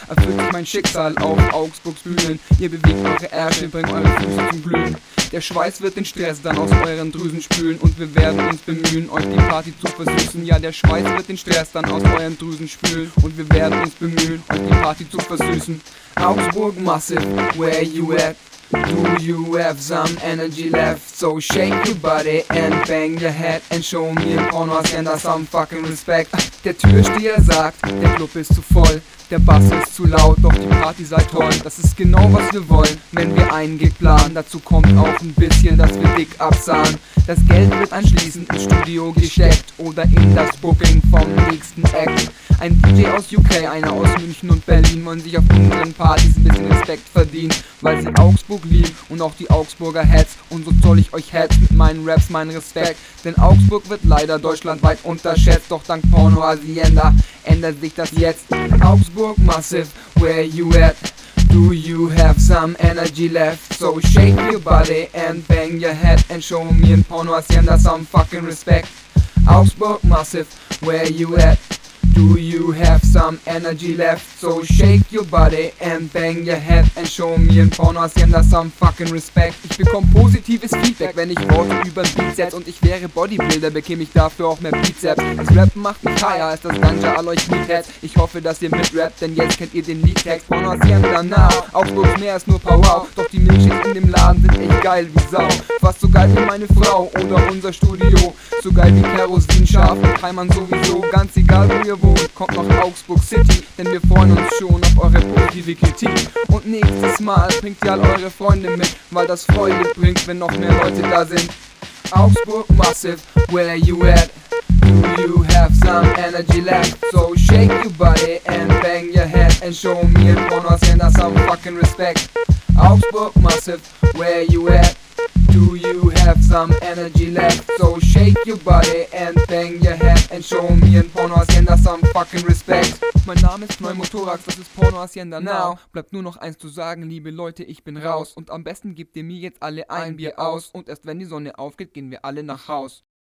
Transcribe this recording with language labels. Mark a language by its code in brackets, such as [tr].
[de] Erfüllt sich mein Schicksal auf Augsburgs Bühnen. Ihr bewegt eure Ärsche, bringt eure Füße zum Glühen. Der Schweiß wird den Stress dann aus euren Drüsen spülen. Und wir werden uns bemühen, euch die Party zu versüßen. Ja, der Schweiß wird den Stress dann aus euren Drüsen spülen. Und wir werden uns bemühen, euch die Party zu versüßen. [en] Augsburg Massive, where you at? Do you have some energy left? So shake your body and bang your head and show me a porno agenda some fucking respect. [de] Der Türsteher sagt, der Club ist zu voll, der Bass ist zu laut, doch die Party sei toll. Das ist genau was wir wollen, wenn wir einen Gig planen. Dazu kommt auch ein bisschen, dass wir dick absahen. Das Geld wird anschließend ins Studio gesteckt oder in das Booking vom nächsten Act. Ein DJ aus UK, einer aus München und Berlin wollen sich auf unseren Partys ein bisschen Respekt verdienen, weil sie Augsburg lieben und auch die Augsburger Heads. Und so zoll ich euch Heads mit meinen Raps meinen Respekt, denn Augsburg wird leider deutschlandweit unterschätzt. Doch dank Porno Hacienda ändert sich das jetzt. [en] Augsburg Massive, where you at? Do you have some energy left? So shake your body and bang your head and show me in Porno Hacienda some fucking respect. Augsburg Massive, where you at? Do you have some energy left? So shake your body and bang your head and show me in Porno Hacienda some fucking respect. [de] Ich bekomm positives Feedback, wenn ich Worte über Beat setz. Und ich wäre Bodybuilder, bekäme ich dafür auch mehr Bizeps. Das Rappen macht mich higher als das Ganja all euch Meatheads. Ich hoffe, dass ihr mitrappt, denn jetzt kennt ihr den Liedtext. Porno Hacienda nah, auch bloß mehr als nur Power. Doch die Milchshakes in dem Laden sind echt geil wie Sau. Fast so geil wie meine Frau oder unser Studio. So geil wie Kerosin, scharf und Keimann sowieso. Ganz egal wo ihr wohnt, kommt nach Augsburg City. Denn wir freuen uns schon auf eure positive Kritik. Und nächstes Mal bringt ihr all eure Freunde mit, weil das Freude bringt, wenn noch mehr Leute da sind. [en] Augsburg Massive, where you at? Do you have some energy left? So shake your body and bang your head and show me in Porno Hacienda some fucking respect. Augsburg Massive, where you at? Do you have some energy left? So shake your body and bang your head and show me in Porno Hacienda some fucking respect. [de] Mein Name ist Pneumothorax, das ist Porno Hacienda now. Bleibt nur noch eins zu sagen, liebe Leute, ich bin raus. Und am besten gebt ihr mir jetzt alle ein Bier aus. Und erst wenn die Sonne aufgeht, gehen wir alle nach Haus.